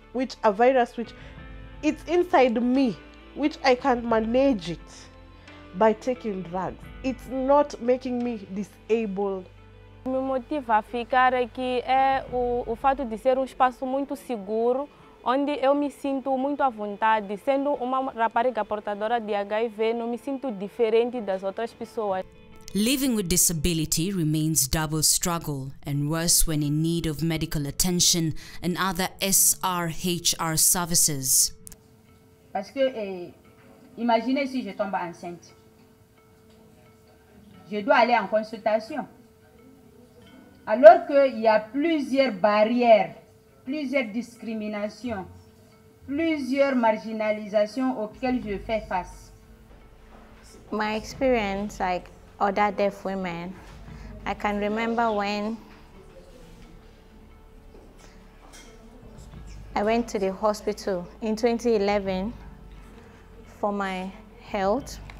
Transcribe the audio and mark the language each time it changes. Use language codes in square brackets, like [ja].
[en] Which a virus which it's inside me, which I can't manage it by taking drugs. It's not making me disabled. [pt] Me motiva a ficar aqui é o fato de ser espaço muito seguro, onde eu me sinto muito à vontade. Sendo uma rapariga portadora de HIV, não me sinto diferente das outras pessoas. [en] Living with disability remains double struggle and worse when in need of medical attention and other SRHR services. [fr] Parce que imaginez si je tombe enceinte. Je dois aller en consultation. Alors que il y a plusieurs barrières, plusieurs discriminations, plusieurs marginalisations auxquelles je fais face. [en] My experience like other deaf women, I can remember when I went to the hospital in 2011 for my health.